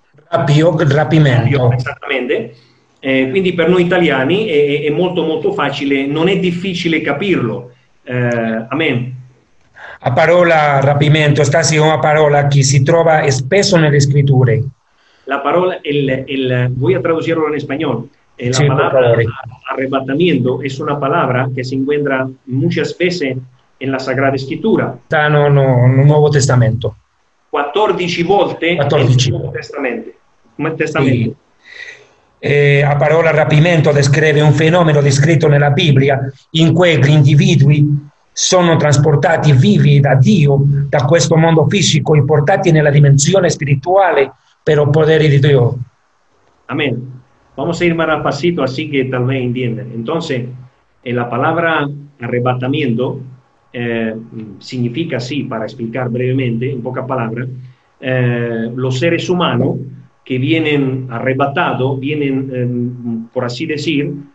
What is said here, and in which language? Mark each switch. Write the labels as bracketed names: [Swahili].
[Italian] Rapio, rapimento. Rapio, esattamente. Quindi per noi italiani è molto molto facile, non è difficile capirlo. Amen. La parola rapimento sta sia una parola che si trova spesso nelle scritture. La parola, [Spanish] voy a traducirlo [Italian] in spagnolo. La sí, parola arrebatamiento è una parola che si [Spanish] encuentra muchas veces en la Sagrada Escritura. [Italian] Sta nel Nuovo Testamento. 14 volte nel Nuovo Testamento. Come testamento. Sí. La parola rapimento descrive un fenomeno descritto nella Bibbia in cui gli individui sono trasportati vivi da Dio da questo mondo fisico e portati nella dimensione spirituale per il potere di Dio. Amen. [Spanish] Vamos a ir más rapacito, así que tal vez entiendan. Entonces, la palabra arrebatamiento significa, sí, para explicar brevemente, en pocas palabras, los seres humanos que vienen arrebatados, vienen, por así decir,